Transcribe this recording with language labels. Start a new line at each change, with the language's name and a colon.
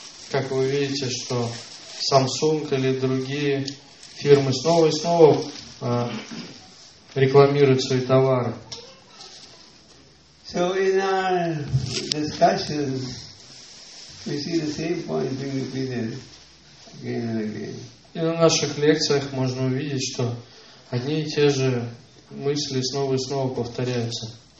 Russian: Как вы видите, что Samsung или другие фирмы снова и снова рекламируют свои товары.
English: So in our discussions, we see the same point being repeated again and again.
Russian: И на наших лекциях можно увидеть, что одни и те же мысли снова и снова повторяются.